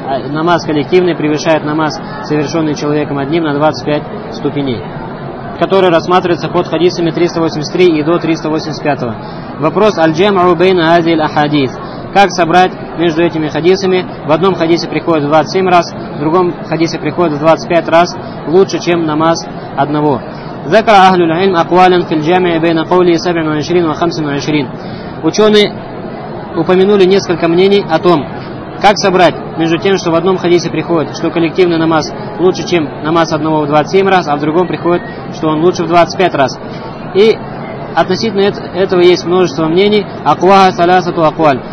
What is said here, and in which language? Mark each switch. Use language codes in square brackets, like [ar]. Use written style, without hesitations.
[ru] Намаз коллективный превышает намаз, совершенный человеком одним, на 25 ступеней, который рассматривается под хадисами 383 и до 385. Вопрос [ar] «Аль-Джам'у бейна азиль ахадис». [ru] Как собрать между этими хадисами? В одном хадисе приходит 27 раз, в другом хадисе приходит 25 раз, лучше, чем намаз одного. [ar] ذكر أهل العلم أقوالا في الجامع بين قوله 27 و 25. [ru] Ученые упомянули несколько мнений о том, как собрать между тем, что в одном хадисе приходит, что коллективный намаз лучше, чем намаз одного в 27 раз, а в другом приходит, что он лучше в 25 раз. И относительно этого есть множество мнений. [ar] Акуаха саласату акуаль.